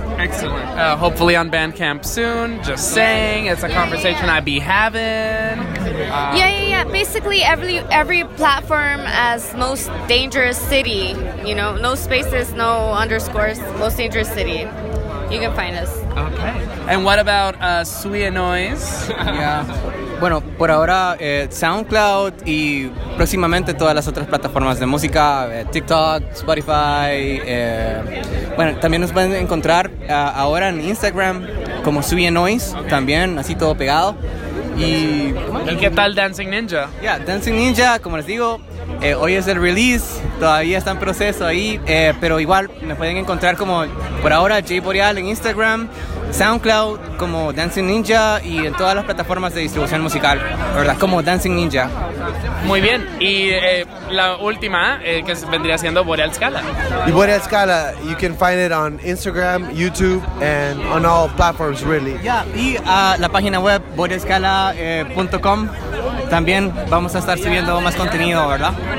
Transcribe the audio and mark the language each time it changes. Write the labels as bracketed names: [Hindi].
[English] Excellent. Hopefully on Bandcamp soon. Just saying. It's a conversation I'd be having. Basically, every platform as Most Dangerous City. You know, no spaces, no underscores. Most Dangerous City. You can find us. Okay. And what about Sui and Noise? Yeah. [Spanish] Bueno, por ahora SoundCloud y próximamente todas las otras plataformas de música, TikTok, Spotify. Bueno, también nos pueden encontrar ahora en Instagram como Sui and Noise, okay. También así todo pegado. ¿Y qué tal Dancing Ninja? Yeah, Dancing Ninja, como les digo, hoy es el release, todavía está en proceso ahí, pero igual me pueden encontrar como por ahora J Boreal en Instagram, SoundCloud como Dancing Ninja y en todas las plataformas de distribución musical, ¿verdad? Como Dancing Ninja. Muy bien, y la última que vendría siendo Boreal Scala. [English] Y Boreal Scala, you can find it on Instagram, YouTube and on all platforms really. [Spanish] Yeah, y la página web borealscala.com. También vamos a estar subiendo más contenido, ¿verdad?